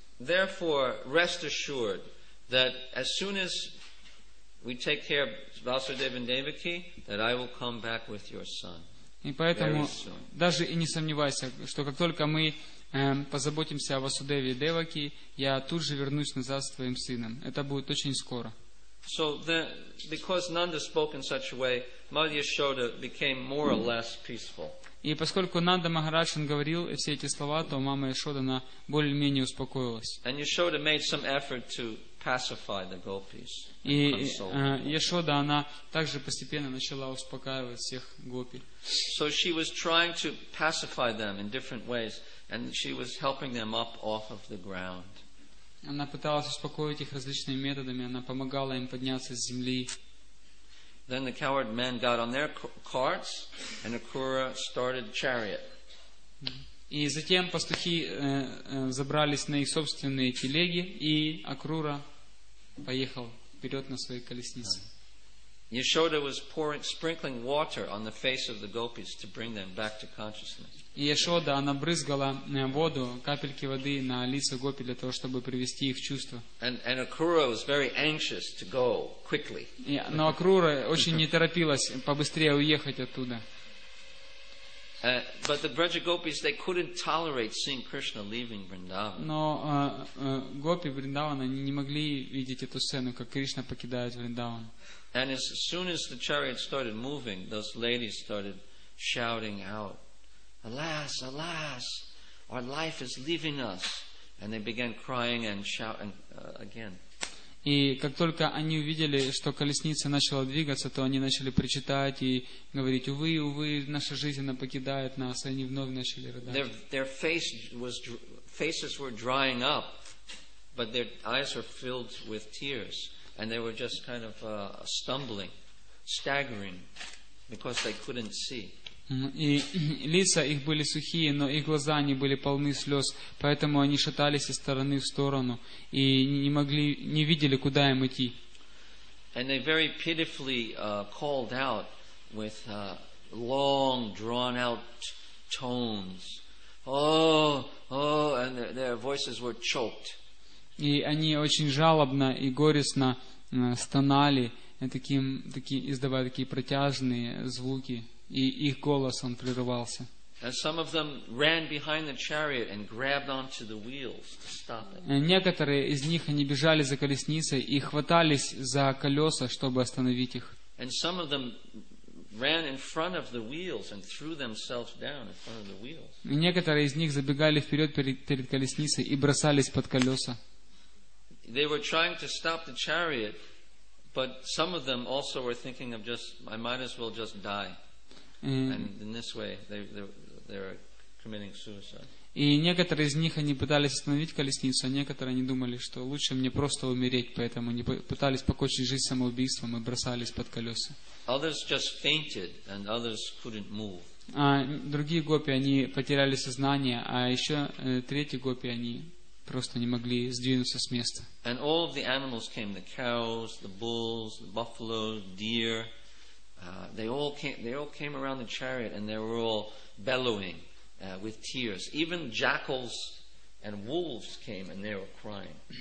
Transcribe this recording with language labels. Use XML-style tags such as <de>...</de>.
<en>Therefore, rest assured that as soon as we take care of Vasudeva and Devaki, that I will come back with your son.</en> <ru>И поэтому даже и не сомневайся, что как только мы позаботимся о Васудеве и Деваке, я тут же вернусь назад с твоим сыном. Это будет очень скоро.</ru> <en>So the, because Nanda spoke in such a way, Madhya Shoda became more or less peaceful.</en> <ru>И поскольку Нанда Махарадж говорил все эти слова, то мама Яшода она более-менее успокоилась.</ru> <en>And Yashoda made some effort to pacify the gopis.</en> <ru>И Яшода она также постепенно начала успокаивать всех гопи.</ru> <en>So she was trying to pacify them in different ways, and she was helping them up off of the ground.</en> <ru>Она пыталась успокоить их различными методами, она помогала им подняться с земли.</ru> <en>Then the coward men got on their carts, and Akura started chariot.</en> <ru>И затем пастухи забрались на их собственные телеги, и Акрура поехал вперед на своей колеснице.</ru> <en>Yashoda was pouring, sprinkling water on the face of the gopis to bring them back to consciousness.</en> <ru>И Яшода, она брызгала воду, капельки воды на лица гопи для того, чтобы привести их в чувство.</ru> <en>And Akura was very anxious to go quickly.</en> <ru>Но Акрура очень не торопилась побыстрее уехать оттуда.</ru> <en>But the Braja gopis, they couldn't tolerate seeing Krishna leaving Vrindavan.</en> <ru>Но гопи Вриндавана не могли видеть эту сцену, как Кришна покидает Вриндаван.</ru> <en>And as soon as the chariot started moving, those ladies started shouting out, "Alas, alas, our life is leaving us," and they began crying and shouting again.</en> <ru>И как только они увидели, что колесница начала двигаться, то они начали причитать и говорить: "Увы, увы, наша жизнь она покидает нас." И они вновь начали рыдать.</ru> <en>Their faces were drying up, but their eyes were filled with tears, and they were just kind of stumbling, staggering, because they couldn't see.</en> <ru>И лица их были сухие, но их глаза не были полны слез, поэтому они шатались из стороны в сторону и не могли, не видели, куда им идти.</ru> <en>And they very pitifully called out with long, drawn-out tones, "Oh, oh!" And their voices were choked.</en> <ru>И они очень жалобно и горестно стонали, такие издавая такие протяжные звуки. И их голос он прерывался.</ru> <en>And some of them ran behind the chariot and grabbed onto the wheels to stop it.</en> <ru>Некоторые из них они бежали за колесницей и хватались за колеса, чтобы остановить их.</ru> <en>And some of them ran in front of the wheels and threw themselves down in front of the wheels.</en> <ru>Некоторые из них забегали вперед перед колесницей и бросались под колеса.</ru> <en>They were trying to stop the chariot, but some of them also were thinking of just, I might as well just die. And in this way, they're committing suicide.</en> <ru>И некоторые из них они пытались остановить колесницу, а некоторые они думали, что лучше мне просто умереть, поэтому они пытались покончить жизнь самоубийством и бросались под колеса.</ru> <en>Others just fainted, and others couldn't move.</en> <ru>А другие гопи они потеряли сознание, а еще третьи гопи они просто не могли сдвинуться с места.</ru> <en>And all of the animals came: the cows, the bulls, the buffalo, deer. They all came around the chariot, and they were all bellowing with tears. Even jackals and wolves came, and they were crying.</en>